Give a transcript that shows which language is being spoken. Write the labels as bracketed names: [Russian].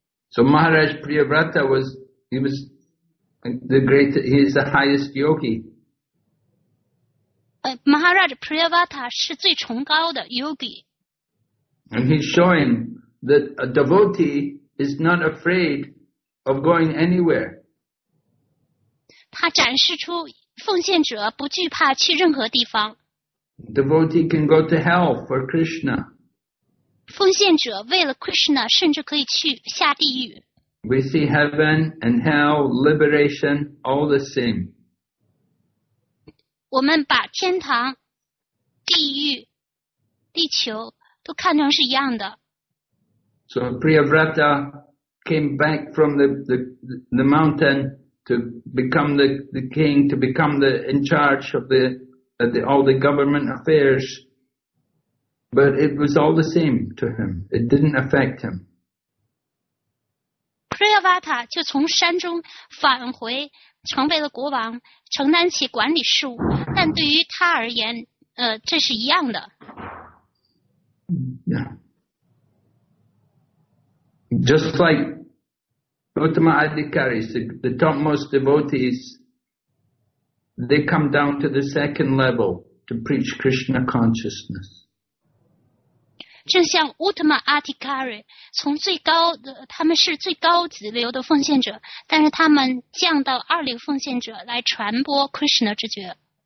[English] So Maharaj Priyavrata was the greatest, he is the highest yogi. [Chinese] Maharaj Priyavrata 是最崇高的 yogi. [English] And he's showing that a devotee is not afraid of going anywhere. [Chinese] 他展示出奉献者不惧怕去任何地方。 [English] Devotee can go to hell for Krishna. [Chinese] 奉献者为了 Krishna 甚至可以去下地狱。 [English] We see heaven and hell, liberation, all the same. [Chinese] 我们把天堂、地狱、地球都看成是一样的。 [English] So Priyavrata came back from the mountain to become the king, to become the in charge of the all the government affairs. But it was all the same to him. It didn't affect him. [Chinese] Priyavrata 就从山中返回，成为了国王，承担起管理事务。但对于他而言，这是一样的。 [English] Yeah. Just like Uttama Adhikaris, the topmost devotees, they come down to the second level to preach Krishna consciousness. [Chinese] 正像 Uttama Adhikari, 从最高的，他们是最高级流的奉献者，但是他们降到二流奉献者来传播 Krishna 之觉。